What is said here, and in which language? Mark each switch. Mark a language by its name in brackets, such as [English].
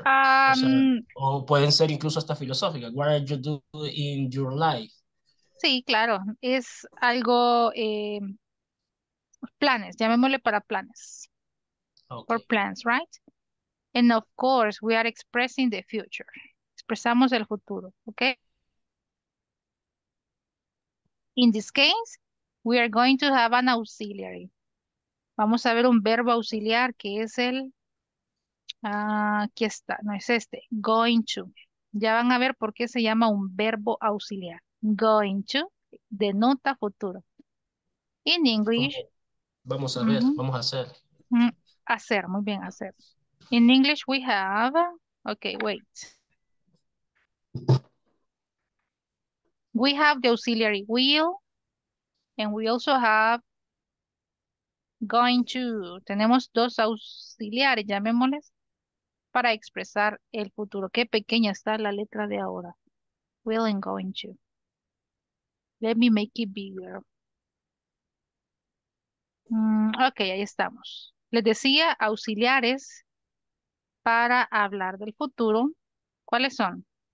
[Spanish] O sea, o pueden ser incluso hasta filosóficas. [English] What are you doing in your life? [Spanish] Sí, claro, es algo planes, llamémosle para planes. [English] For Okay. plans, right? And of course, we are expressing the future. [Spanish] Expresamos el futuro, [English] okay? In this case, we are going to have an auxiliary. [Spanish] Vamos a ver un verbo auxiliar que es el. Aquí está, no es este, going to. Ya van a ver por qué se llama un verbo auxiliar. Going to denota futuro. [English] In English, [Spanish] ¿Cómo? Vamos a ver, vamos a hacer. hacer, muy bien, hacer. [English] In English we have, okay, wait. We have the auxiliary will, and we also have going to. [Spanish] Tenemos dos auxiliares, llamémosles, para expresar el futuro. Qué pequeña está la letra de ahora. Will and going to. [English] Let me make it bigger. [Spanish] Ok, ahí estamos. Les decía auxiliares para hablar del futuro. ¿Cuáles son?